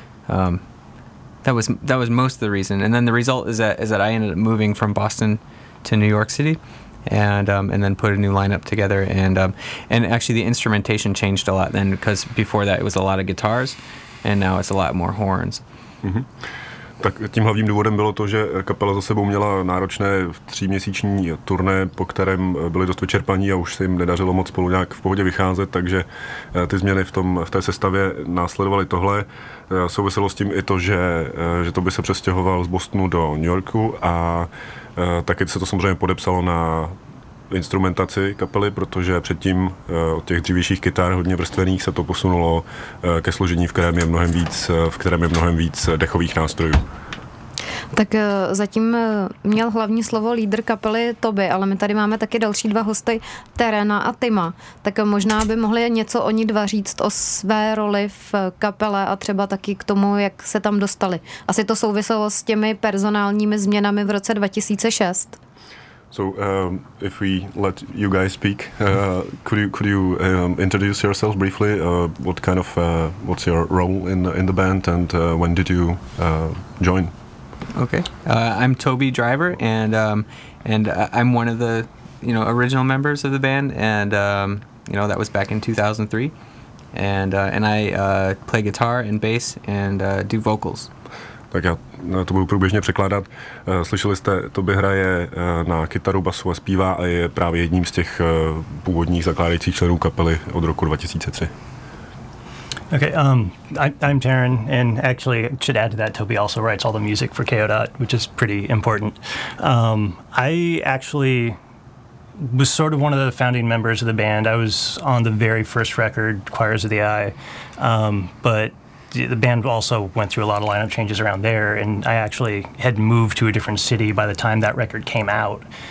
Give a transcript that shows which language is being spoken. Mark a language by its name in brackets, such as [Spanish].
[English] That was most of the reason, and then the result is that I ended up moving from Boston to New York City, and then put a new lineup together, and actually the instrumentation changed a lot then, because before that it was a lot of guitars, and now it's a lot more horns. Mm-hmm. [Czech] Tak tím hlavním důvodem bylo to, že kapela za sebou měla náročné 3měsíční turné, po kterém byli dost vyčerpaní a už se jim nedařilo moc spolu nějak v pohodě vycházet, takže ty změny v té sestavě následovaly tohle. Souviselo s tím i to, že to by se přestěhoval z Bostonu do New Yorku a taky se to samozřejmě podepsalo na instrumentaci kapely, protože předtím od těch dřívějších kytar hodně vrstvených se to posunulo ke složení, v kterém je mnohem víc dechových nástrojů. Tak zatím měl hlavní slovo lídr kapely Toby, ale my tady máme taky další dva hosty, Terena a Tima. Tak možná by mohli něco oni dva říct o své roli v kapele a třeba taky k tomu, jak se tam dostali. Asi to souviselo s těmi personálními změnami v roce 2006. [English] So if we let you guys speak, could you introduce yourselves briefly? What's your role in the band, and when did you join? Okay, I'm Toby Driver, and I'm one of the original members of the band, and that was back in 2003, and I play guitar and bass and do vocals. [Czech] Tak já to budu průběžně překládat. Slyšeli jste, Toby hraje na kytaru, basu a zpívá a je právě jedním z těch původních zakládajících členů kapely od roku 2003. [English] Okay, I'm Taryn, and actually should add to that, Toby also writes all the music for KO.DOT, which is pretty important. I actually was sort of one of the founding members of the band. I was on the very first record, Choirs of the Eye, but the band also went through a lot of lineup changes around there, and I actually had moved to a different city by the time that record came out.